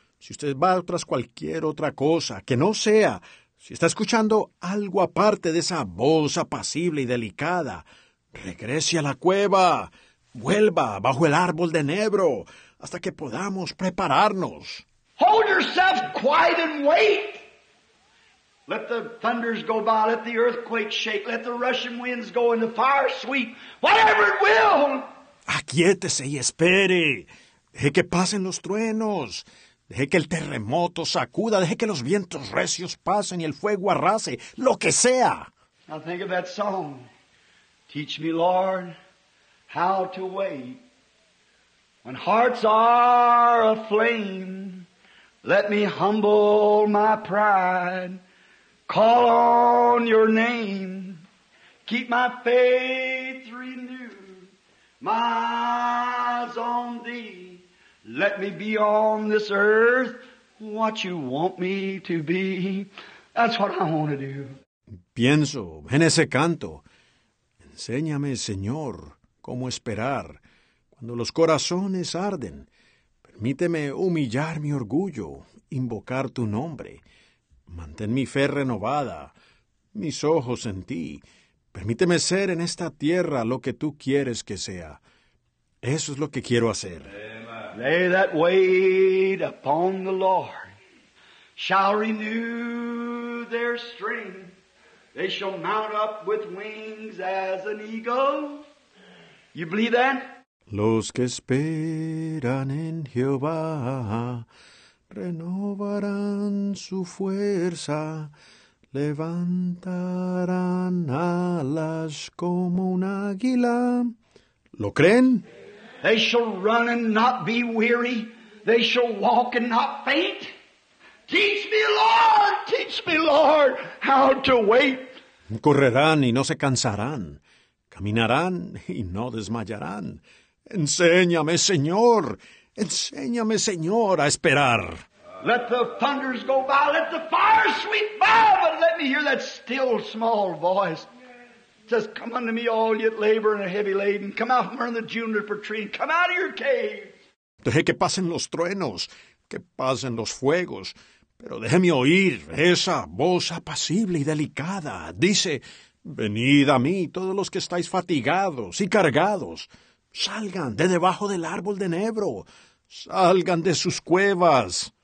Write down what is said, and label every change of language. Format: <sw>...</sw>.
<es>Si usted va tras cualquier otra cosa, que no sea, si está escuchando algo aparte de esa voz apacible y delicada, regrese a la cueva, vuelva bajo el árbol de enebro, hasta que podamos prepararnos.</es> <en>Hold yourself quiet and wait. Let the thunders go by, let the earthquake shake, let the rushing winds go and the fire sweep, whatever it will.</en> <es>Aquiétese y espere. Deje que pasen los truenos. Deje que el terremoto sacuda, deje que los vientos recios pasen y el fuego arrase, lo que sea.</es> <en>Now think of that song. Teach me, Lord, how to wait. When hearts are aflame, let me humble my pride. Call on your name. Keep my faith renewed. My eyes on thee. Let me be on this earth what you want me to be. That's what I want to do.</en> <es>Pienso en ese canto. Enséñame, Señor, cómo esperar. Cuando los corazones arden, permíteme humillar mi orgullo, invocar tu nombre. Mantén mi fe renovada, mis ojos en ti. Permíteme ser en esta tierra lo que tú quieres que sea. Eso es lo que quiero hacer.</es> <en>They that wait upon the Lord shall renew their strength. They shall mount up with wings as an eagle. You believe that?</en> <es>Los que esperan en Jehová renovarán su fuerza, levantarán alas como un águila. ¿Lo creen?</es> <en>They shall run and not be weary. They shall walk and not faint. Teach me, Lord, teach me, Lord, how to wait.</en> <es>Correrán y no se cansarán. Caminarán y no desmayarán. Enséñame, Señor. Enséñame, Señor, a esperar.</es> <en>Let the thunders go by. Let the fire sweep by. But let me hear that still, small voice. Says, come unto me, all ye labor and are heavy laden. Come out from under the juniper tree. Come out of your cave.</en> <es>Deje que pasen los truenos, que pasen los fuegos, pero déjeme oír esa voz apacible y delicada. Dice, «Venid a mí, todos los que estáis fatigados y cargados. Salgan de debajo del árbol de enebro. Salgan de sus cuevas».</es>